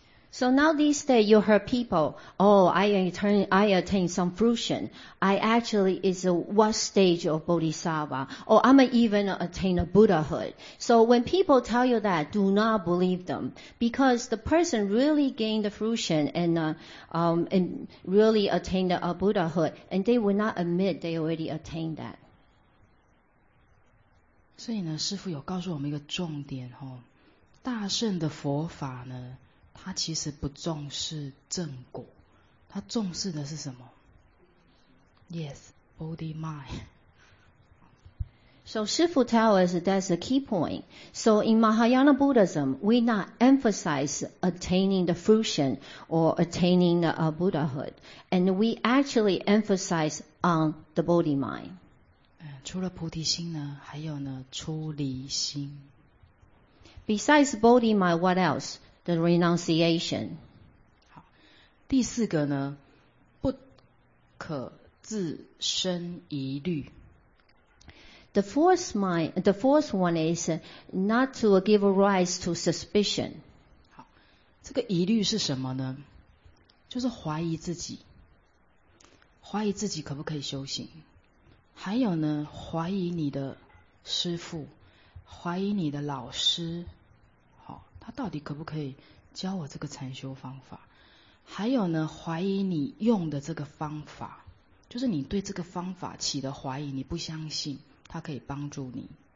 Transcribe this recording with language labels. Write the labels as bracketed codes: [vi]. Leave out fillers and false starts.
[en] So now these days you heard people, oh, I attain some fruition. I actually is a what stage of bodhisattva? Oh, I'm even attain a Buddhahood. So when people tell you that, do not believe them, because the person really gained the fruition and really attained a Buddhahood, and they will not admit they already attained that. [zh] 所以呢，师父有告诉我们一个重点哦，大圣的佛法呢。他其实不重视正果，他重视的是什么 ？ [en] Yes, body mind. So, 师父 tell us that's the key point. So, in Mahayana Buddhism, we not emphasize attaining the fruition or attaining the Buddhahood, and we actually emphasize on the body mind. [zh] 除了菩提心呢，还有呢，出离心。 [en] Besides body mind, what else? The renunciation. [zh] 好，第四个呢，不可自生疑虑。 [en] The fourth one is not to give rise to suspicion. [zh] 好，这个疑虑是什么呢？就是怀疑自己，怀疑自己可不可以修行，还有呢，怀疑你的师父，怀疑你的老师。他到底可不可以教我这个禅修方法？还有呢，怀疑你用的这个方法，就是你对这个方法起的怀疑，你不相信它可以帮助你。